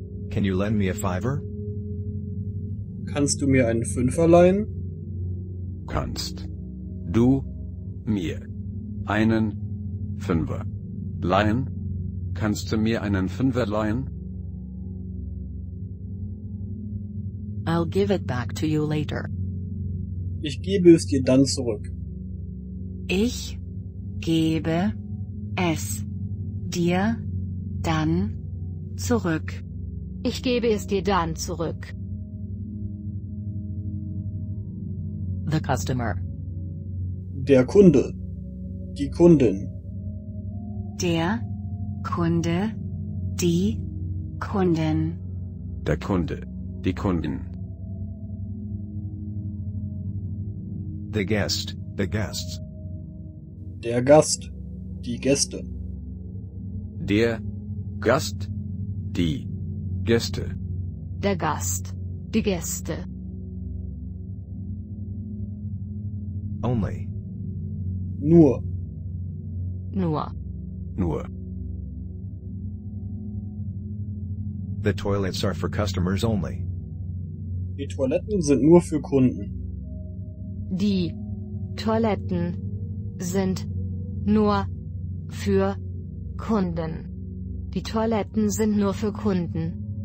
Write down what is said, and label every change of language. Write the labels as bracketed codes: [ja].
[en] Can you lend me a fiver? [de] Kannst du mir einen Fünfer leihen? Kannst du mir einen Fünfer leihen? Kannst du mir einen Fünfer leihen? [en] I'll give it back to you later. [de] Ich gebe es dir dann zurück. Ich gebe es dir Dann zurück. Ich gebe es dir dann zurück. [en] The customer. [de] Der Kunde. Die Kundin. Der Kunde. Die Kundin. Der Kunde. Die Kundin. [en] The guest. The guests. [de] Der Gast. Die Gäste. Der Gast. Die Gäste. Der Gast. Die Gäste. [en] Only. [de] Nur. Nur. Nur. [en] The toilets are for customers only. [de] Die Toiletten sind nur für Kunden. Die Toiletten sind nur für Kunden. Die Toiletten sind nur für Kunden.